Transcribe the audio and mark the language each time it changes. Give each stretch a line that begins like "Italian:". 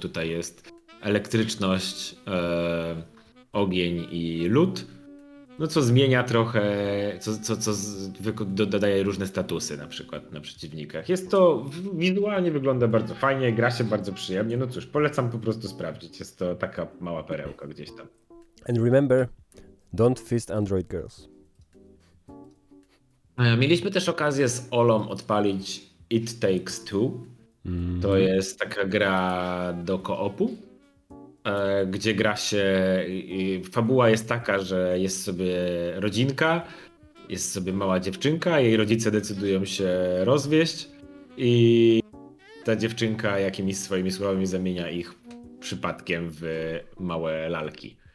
Polish: Tutaj jest elektryczność, ogień i lód. No co zmienia trochę, co dodaje różne statusy na przykład na przeciwnikach. Jest to, wizualnie wygląda bardzo fajnie, gra się bardzo przyjemnie. No cóż, polecam po prostu sprawdzić. Jest to taka mała perełka gdzieś tam.
English: And remember, don't fist Android girls.
Polish: Mieliśmy też okazję z Olą odpalić It Takes Two. To jest taka gra do koopu, gdzie gra się, fabuła jest taka, że jest sobie rodzinka, jest sobie mała dziewczynka, jej rodzice decydują się rozwieść i ta dziewczynka jakimiś swoimi słowami zamienia ich przypadkiem w małe lalki.